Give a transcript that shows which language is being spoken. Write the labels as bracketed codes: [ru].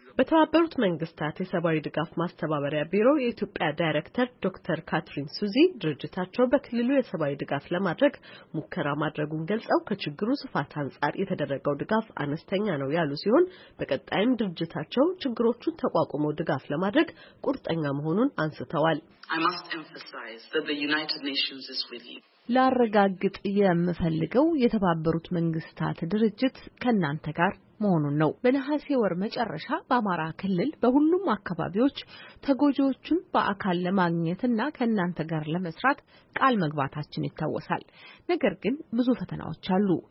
[am] በተባበሩት መንግስታት የሰብአዊ ድጋፍ ማስተባበሪያ ቢሮ የኢትዮጵያ ዳይሬክተር ዶክተር ካትሪን ሱዚ ድርጅታቸው በክልሉ የሰብአዊ ድጋፍ ለማድረግ ሙከራ ማድረጉን ገልጸው ከችግሩ ስፋት አንጻር የተደረገው ድጋፍ አነስተኛ ነው ያሉ ሲሆን፣ በቀጣይም ድርጅታቸው ችግሮቹን ተቋቁሞ ድጋፍ ለማድረግ ቁርጠኛ መሆኑን አንስተዋል። [en] I must emphasize that the United Nations is with you. [am] ላረጋግጥ የምፈልገው የተባበሩት መንግስታት ድርጅት ከእናንተ ጋር መሆኑን ነው። በነሐሴ ወር መጨረሻ በአማራ ክልል በሁሉም አካባቢዎች ተጎጂዎችን በአካል ለማግኘትና ከእናንተ ጋር ለመስራት ቃል መግባታችን ይታወሳል። ነገር ግን ብዙ ፈተናዎች አሉ።